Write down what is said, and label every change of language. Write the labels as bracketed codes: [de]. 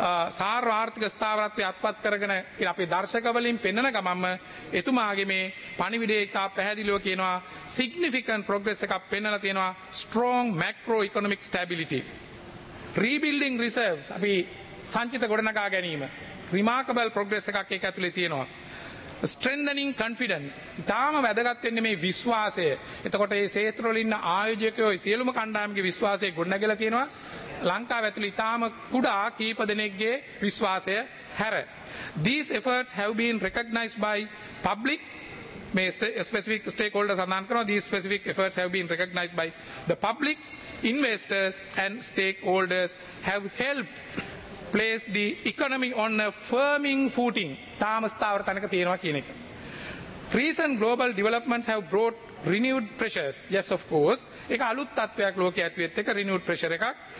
[si] සාර ආර්ථික ස්ථාවරත්වය අත්පත් කරගෙන කියන අපේ දර්ශකවලින් පෙන්වන ගමන්ම එතුමාගේ මේ පණිවිඩය ඉතා පැහැදිලිව කියනවා [en] significant progress [si] එකක් පෙන්වලා තියෙනවා [en] strong macroeconomic stability rebuilding reserves [si] අපි සංචිත ගොඩනගා ගැනීම [en] remarkable progress [si] එකක් ඒක ඇතුලේ තියෙනවා [en] strengthening confidence [si] ඉතාම වැදගත් වෙන්නේ මේ විශ්වාසය. එතකොට මේ ක්ෂේත්‍රවල ඉන්න ආයෝජකයෝ සියලුම කණ්ඩායම්ගේ විශ්වාසය ගොඩනැගලා තියෙනවා. ලංකාව ඇතුළේ ඉතාම කුඩා කීප දෙනෙක්ගේ විශ්වාසය හැර. [en] These efforts have been recognized by public [si] මේ [en] specific stakeholders [si] සඳහන් කරනවා. [en] These specific efforts have been recognized by the public investors and stakeholders have helped place the economy on a firming footing. [si] තාමස්ථාවර තැනක තියෙනවා කියන එක. [en] Recent global developments have brought renewed pressures. Yes, of course. [si] ඒක අලුත් තත්වයක් ලෝකයේ ඇති වෙත් එක [en] renewed pressure [si] එකක්.